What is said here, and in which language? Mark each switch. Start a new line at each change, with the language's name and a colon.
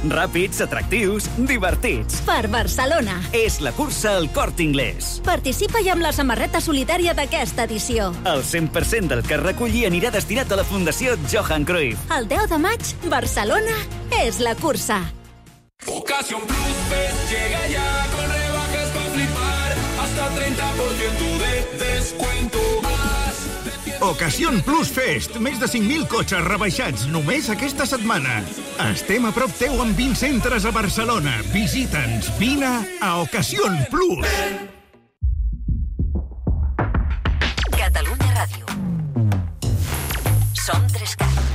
Catalan: Ràpids, atractius, divertits. Per Barcelona. És la cursa al Corte Inglés. Participa ja amb la samarreta solitària d'aquesta edició. El 100% del que es reculli anirà destinat a la Fundació Johan Cruyff. El 10 de maig, Barcelona és la cursa.
Spanish: Ocasión Plus Fest llega ya con rebajas para flipar hasta 30% de descuento más.
Catalan: Ocasión Plus Fest, més de 5.000 cotxes rebaixats només aquesta setmana. Estem a prop teu amb 20 centres a Barcelona. Visita'ns, vine a Ocasión Plus. Catalunya Ràdio. Som 3K.